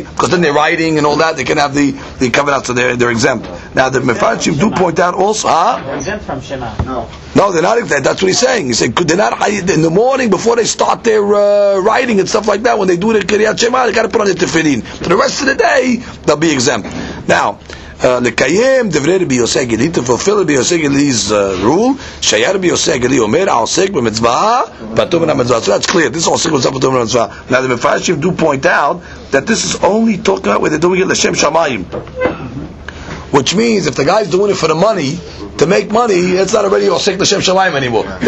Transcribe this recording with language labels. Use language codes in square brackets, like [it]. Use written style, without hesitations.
[en] Because then they're writing and all that, they can have the kavanah, so they're exempt. Now the Mefarshim do point out also, huh? They're exempt from shema, no. No, they're not exempt, that's what he's saying. He's saying, they're not, in the morning, before they start their writing and stuff like that, when they do the kriyat shema, they got to put on the tefillin. For the rest of the day, they'll be exempt. Now, [he] לקיים דברי רבי יוסי הגלילי, [en] to fulfill [he] רבי יוסי הגלילי's rule, שהיה רבי יוסי הגלילי אומר, העוסק במצווה, פטור מן המצווה. [en] So that's clear, this [he] עוסק במצווה פטור מן המצווה. [en] Now the Mefarshim do point out that this is only talking about where they're doing it לשם שמיים. Which means if the guy's doing it for the money, to make money, it's not already [he] עוסק לשם שמיים [en] anymore. Yeah.